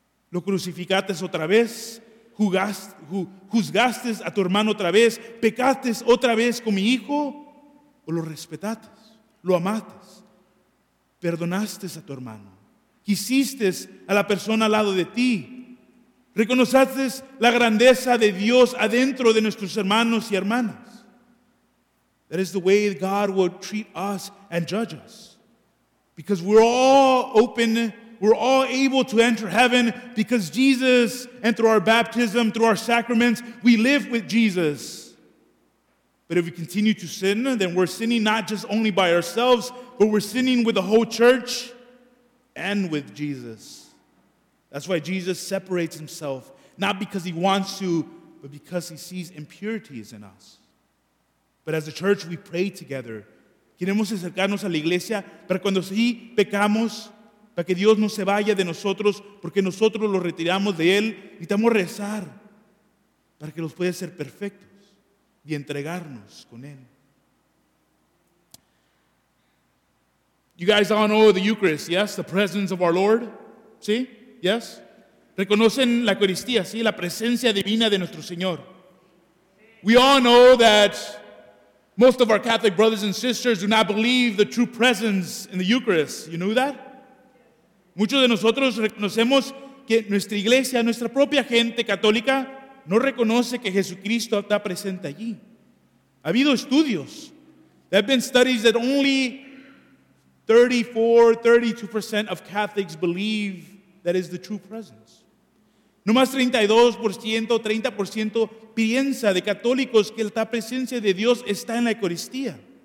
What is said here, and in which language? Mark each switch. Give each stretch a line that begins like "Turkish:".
Spanish: Lo crucificaste otra vez, juzgaste a tu hermano otra vez, pecaste otra vez con mi hijo, o lo respetaste, lo amaste, perdonaste a tu hermano, quisiste a la persona al lado de ti. Reconociste la grandeza de Dios adentro de nuestros hermanos y hermanas.
English: That is the way God will treat us and judge us. Because we're all open, we're all able to enter heaven because Jesus, and through our baptism, through our sacraments, we live with Jesus. But if we continue to sin, then we're sinning not just only by ourselves, but we're sinning with the whole church and with Jesus. That's why Jesus separates himself, not because he wants to, but because he sees impurities in us. But as a church, we pray together.
Spanish: Queremos acercarnos a la iglesia para cuando sí pecamos, para que Dios no se vaya de nosotros, porque nosotros lo retiramos de él. Necesitamos rezar para que los pueda ser perfectos y entregarnos con él.
English: You guys all know the Eucharist, yes? The presence of our Lord, ¿sí? Yes?
Spanish: Reconocen la Eucaristía, ¿sí? La presencia divina de nuestro Señor.
English: We all know that most of our Catholic brothers and sisters do not believe the true presence in the Eucharist. You knew that?
Spanish: Muchos de nosotros reconocemos que nuestra iglesia, nuestra propia gente católica, no reconoce que Jesucristo está presente allí. Ha habido estudios.
English: There have been studies that only 32% of Catholics believe that is the true presence.
Spanish: No más 32%, 30% piensa de católicos que la presencia de Dios está en la Eucaristía.